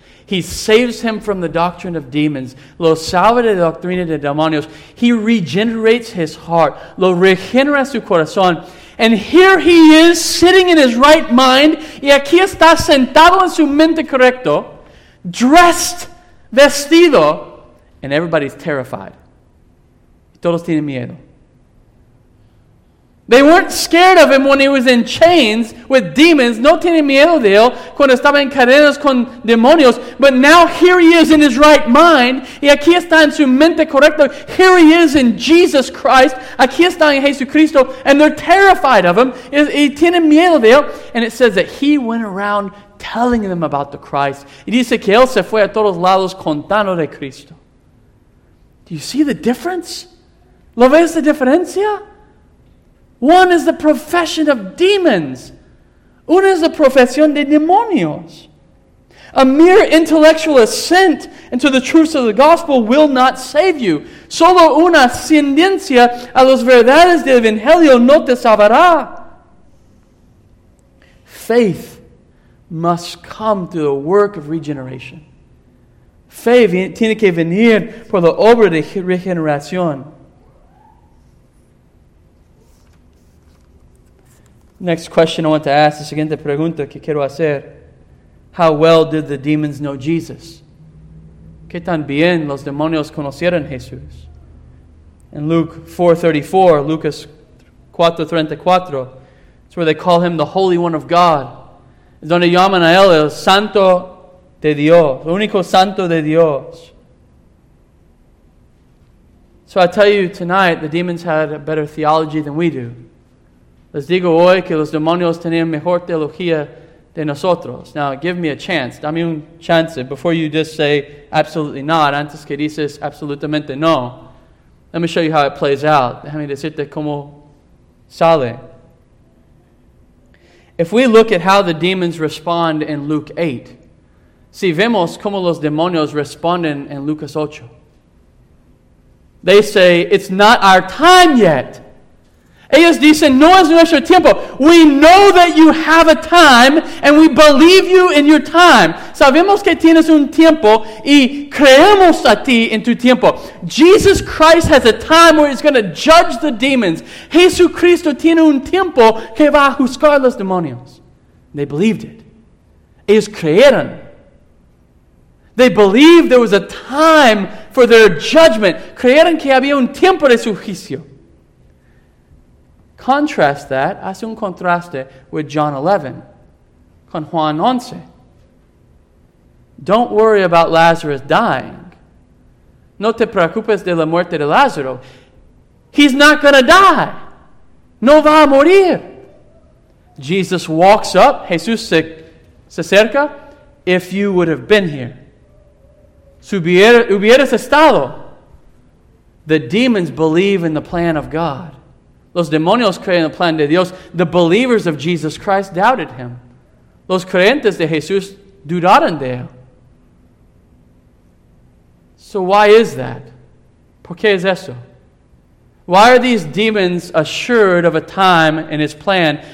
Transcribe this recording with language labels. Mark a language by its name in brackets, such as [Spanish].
[English] He saves him from the doctrine of demons. [Spanish] Lo salva de la doctrina de demonios. [English] He regenerates his heart. [Spanish] Lo regenera su corazón. [English] And here he is sitting in his right mind. [Spanish] Y aquí está sentado en su mente correcto. [English] Dressed. [Spanish] Vestido, [English] and everybody's terrified. [Spanish] Todos tienen miedo. [English] They weren't scared of him when he was in chains with demons. [Spanish] No tienen miedo de él cuando estaba en cadenas con demonios. [English] But now here he is in his right mind. [Spanish] Y aquí está en su mente correcta. [English] Here he is in Jesus Christ. [Spanish] Aquí está en Jesucristo. [English] And they're terrified of him. [Spanish] Y tienen miedo de él. [English] And it says that he went around telling them about the Christ. [Spanish] Y dice que él se fue a todos lados contando de Cristo. [English] Do you see the difference? [Spanish] ¿Lo ves la diferencia? [English] One is the profession of demons. [Spanish] Una es la profesión de demonios. [English] A mere intellectual assent into the truths of the gospel will not save you. [Spanish] Solo una ascendencia a las verdades del Evangelio no te salvará. [English] Faith must come through the work of regeneration. [Spanish] Fe tiene que venir por la obra de regeneración. [English] Next question I want to ask, [Spanish] la siguiente pregunta que quiero hacer. [English] How well did the demons know Jesus? [Spanish] ¿Qué tan bien los demonios conocieron Jesús? [English] In Lucas 4:34, it's where they call him the Holy One of God. [Spanish] Es donde llaman a él el Santo de Dios, el único Santo de Dios. [English] So I tell you tonight, the demons had a better theology than we do. [Spanish] Les digo hoy que los demonios tenían mejor teología de nosotros. [English] Now, give me a chance. [Spanish] Dame un chance. [English] Before you just say, absolutely not, [Spanish] antes que dices, absolutamente no. [English] Let me show you how it plays out. [Spanish] Déjame decirte cómo sale. [English] If we look at how the demons respond in Luke 8, [Spanish] si vemos cómo los demonios responden en Lucas 8, [English] they say, it's not our time yet. [Spanish] Ellos dicen, no es nuestro tiempo. [English] We know that you have a time and we believe you in your time. [Spanish] Sabemos que tienes un tiempo y creemos a ti en tu tiempo. [English] Jesus Christ has a time where he's going to judge the demons. [Spanish] Jesucristo tiene un tiempo que va a juzgar los demonios. [English] They believed it. [Spanish] Ellos creyeron. [English] They believed there was a time for their judgment. [Spanish] Creyeron que había un tiempo de su juicio. [English] Contrast that, [Spanish] hace un contraste [English] with John 11, [Spanish] con Juan 11. [English] Don't worry about Lazarus dying. [Spanish] No te preocupes de la muerte de Lázaro. [English] He's not going to die. [Spanish] No va a morir. [English] Jesus walks up. [Spanish] Jesús se acerca. [English] If you would have been here, [Spanish] hubieras estado. [English] The demons believe in the plan of God. [Spanish] Los demonios creen en el plan de Dios. [English] The believers of Jesus Christ doubted him. [Spanish] Los creyentes de Jesús dudaron de él. [English] So why is that? [Spanish] ¿Por qué es eso? [English] Why are these demons assured of a time in his plan?